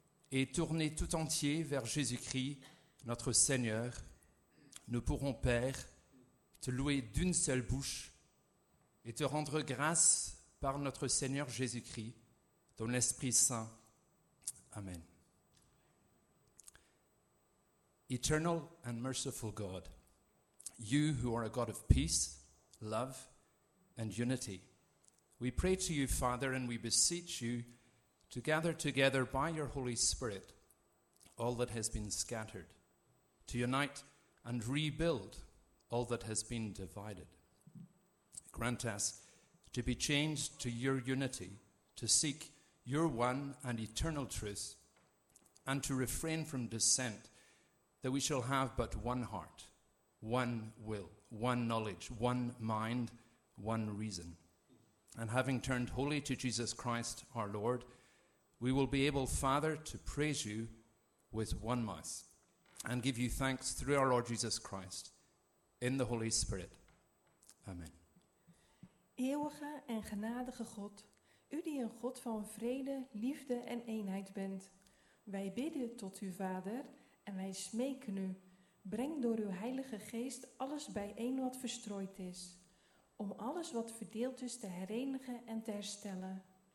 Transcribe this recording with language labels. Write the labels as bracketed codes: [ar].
[fr] Et tourné tout entier vers Jésus-Christ, notre Seigneur, nous pourrons, Père, te louer d'une seule bouche et te rendre grâce par notre Seigneur Jésus-Christ, ton Esprit Saint. Amen. [en] Eternal and merciful God, you who are a God of peace, love, and unity, we pray to you, Father, and we beseech you to gather together by your Holy Spirit all that has been scattered, to unite and rebuild all that has been divided. Grant us to be changed to your unity, to seek your one and eternal truth, and to refrain from dissent, that we shall have but one heart, one will, one knowledge, one mind, one reason. And having turned wholly to Jesus Christ our Lord, we will be able, Father, to praise you with one mouth, and give you thanks through our Lord Jesus Christ, in the Holy Spirit. Amen. [nl] Eeuwige en genadige God, u die een God van vrede, liefde en eenheid bent, wij bidden tot uw Vader en wij smeken u, breng door uw Heilige Geest alles bijeen wat verstrooid is, om alles wat verdeeld is te herenigen en te herstellen.